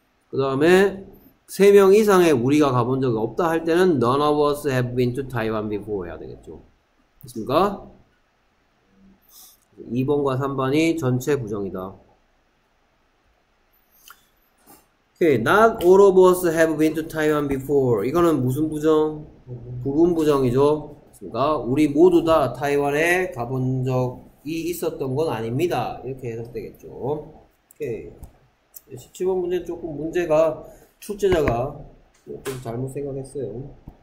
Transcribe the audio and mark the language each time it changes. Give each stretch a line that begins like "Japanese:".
Korean: 그 다음에 세 명 이상의 우리가 가본 적이 없다 할 때는
English: None of us have been to Taiwan before
Korean: 해야 되겠죠. 됐습니까? 2번과 3번이 전체 부정이다.
English: Okay. Not all of us have been to Taiwan before.
Korean: 이거는 무슨 부정? 부분 부정이죠. 그러니까 우리 모두 다 타이완에 가본 적이 있었던 건 아닙니다. 이렇게 해석되겠죠. Okay. 17번 문제는 조금 문제가 출제자가 좀 잘못 생각했어요.